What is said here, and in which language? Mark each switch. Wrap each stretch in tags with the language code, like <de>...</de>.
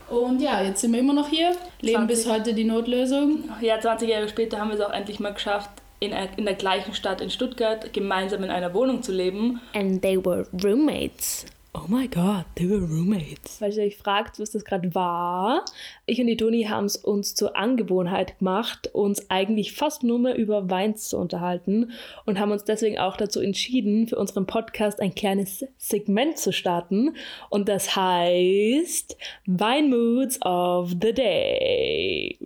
<de>Und ja, jetzt sind wir immer noch hier, leben bis heute die Notlösung. Ja, 20 Jahre später haben wir es auch endlich mal geschafft, in der gleichen Stadt in Stuttgart gemeinsam in einer Wohnung zu leben.</de> <en>And they were roommates. Oh my god, they were roommates.</en> <de>Falls ihr euch fragt, was das gerade war, ich und die Toni haben es uns zur Angewohnheit gemacht, uns eigentlich fast nur mehr über Weins zu unterhalten und haben uns deswegen auch dazu entschieden, für unseren Podcast ein kleines Segment zu starten. Und das heißt Wine Moods of the Day.</de>